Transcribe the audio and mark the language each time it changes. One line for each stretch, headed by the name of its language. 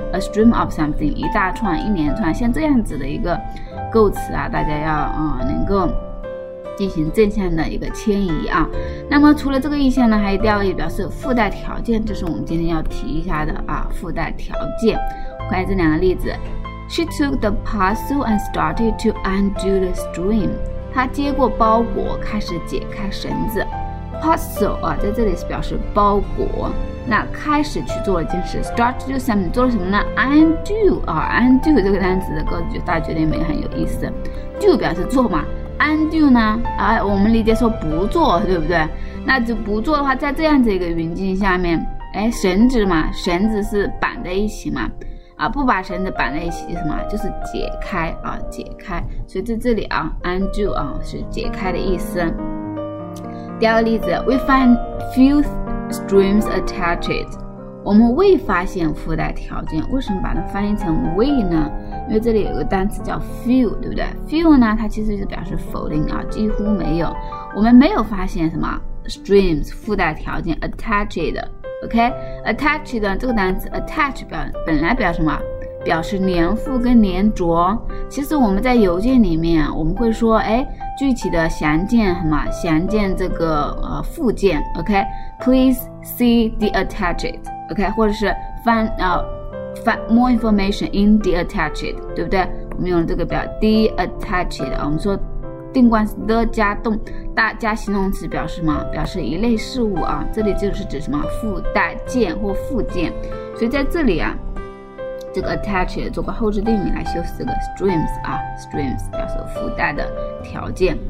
English: A stream of something，
Chinese: 一大串、一连串，像这样子的一个构词啊，大家要能够进行正向的一个迁移啊。那么除了这个意象呢，还有第二个表示附带条件，这是我们今天要提一下的啊，附带条件。看这两个例子。
English: She took the parcel and started to undo the string.
Chinese: 她接过包裹，开始解开绳子。Parcel 啊，在这里是表示包裹。那开始去做了件事 ，
English: start to do something，
Chinese: 做了什么呢 ？Undo 啊 ，undo 这个单词的构造大家觉得有没有很有意思 ？Do 表示做嘛 ，undo 呢？我们理解说不做，对不对？那就不做的话，在这样子一个语境下面，绳子嘛，绳子是绑在一起嘛。不把绳子绑在一起是什么？就是解开啊，解开。所以在这里啊 ，undo 啊是解开的意思。第二个例子
English: ，We find few strings attached。
Chinese: 我们未发现附带条件，为什么把它翻译成未呢？因为这里有个单词叫 few， 对不对 ？few 呢，它其实就表示否定啊，几乎没有。我们没有发现什么 strings 附带条件 attached。 OK， attach 的这个单词 attach 本来表什么？表示粘附跟粘着。其实我们在邮件里面，我们会说，具体的详见什么？详见这个附件。OK，
English: please see the attached。
Chinese: OK， 或者是
English: find more information in the attached，
Chinese: 对不对？我们用这个表 the attached， 我们说定冠词的加动。大加形容词表示什么？表示一类事物啊，这里就是指什么附带件或附件，所以在这里啊，这个 attach 做个后置定语来修饰这个 strings 啊 ，strings 表示附带的条件。